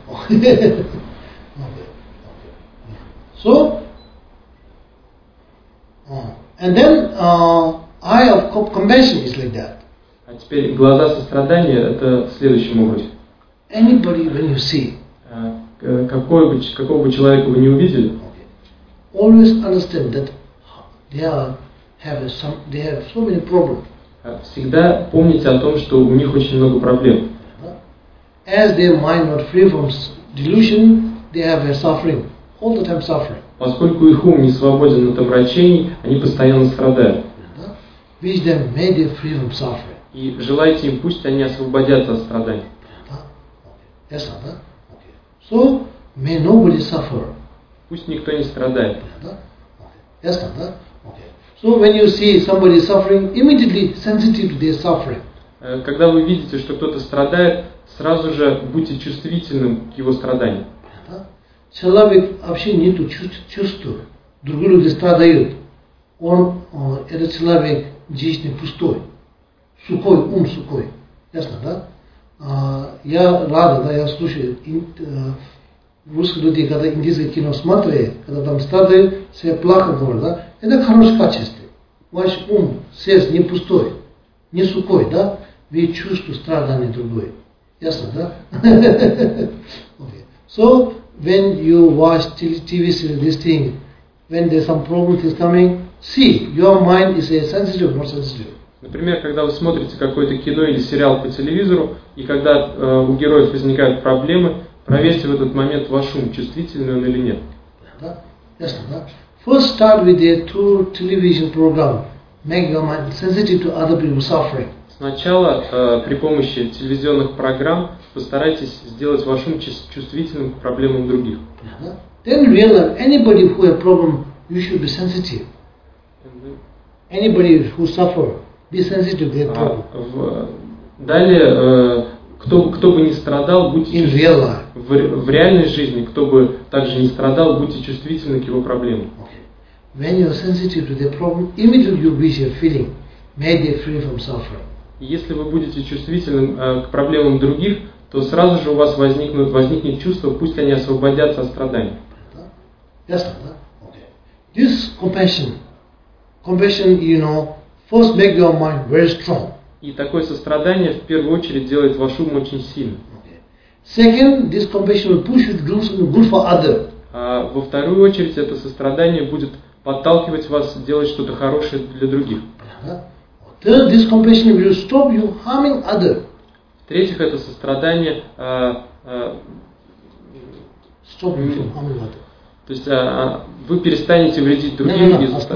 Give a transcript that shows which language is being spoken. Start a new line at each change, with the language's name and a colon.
English: Okay. So, and then eye of compassion is like that.
Russian: А теперь глаза сострадания это следующим образом.
English: Anybody when you see.
Russian: Какого бы человека вы не увидели.
English: Okay. Always understand that they have so many problems.
Russian: Всегда помните о том, что у них очень много проблем.
English: As their mind not free from delusion, they have a suffering, all the time suffering.
Russian: Поскольку их ум не свободен от омрачений, они постоянно страдают.
English: Wish them may they free from suffering.
Russian: И желайте им, пусть они освободятся от страданий.
English: Yes, да? Okay. So may nobody suffer.
Russian: Пусть никто не страдает.
English: Yes, да? Okay. So when you see somebody suffering, immediately sensitive to their suffering.
Russian: Когда вы видите, что кто-то страдает, сразу же будьте чувствительным к его страданиям. Понятно? Человек вообще нету чувств. Другие люди страдают. Этот человек жизни пустой. Сухой, ум сухой. Ясно, да? Я рада, да, я слушаю. Русские люди, когда индийское кино смотрят, когда там страдают, все плохо говорят, да? Это хорошее качество. Ваш ум, сердце не пустой, не сухой, да? Вы чувствуете страдания другой. Ясно, да? Okay.
English: So, when you watch TV series, this thing, when there's some problem is coming, see, your mind is a sensitive, more sensitive.
Russian: Например, когда вы смотрите какое-то кино или сериал по телевизору, и когда у героев возникают проблемы, проверьте в этот момент ваш ум, чувствительный он или нет. Да? Ясно, да?
English: First start with a true television program. Make your mind sensitive to other people's suffering.
Russian: Сначала при помощи телевизионных программ постарайтесь сделать ваш ум чувствительным к проблемам других.
English: Then realize anybody who has problem, you should be sensitive. Anybody who suffer, be sensitive to their problem.
Russian: Далее, кто бы не страдал, будьте чувствительны. В реальной жизни, кто бы также не страдал, будьте чувствительны к его проблемам.
English: Okay. When you are sensitive to the problem, immediately you wish your feeling may be free from suffering.
Russian: Если вы будете чувствительным к проблемам других, то сразу же у вас возникнет чувство, пусть они освободятся от страданий.
English: Yes, да? Okay. This compassion, you know, first make your mind very strong.
Russian: И такое сострадание в первую очередь делает ваш ум очень сильным.
English: Second, this compassion will push you to do something good for others.
Russian: А во вторую очередь это сострадание будет подталкивать вас делать что-то хорошее для других.
English: Third, this compassion will stop you harming others.
Russian: В-третьих, это сострадание
English: stop you from harming others.
Russian: То есть вы перестанете вредить другим,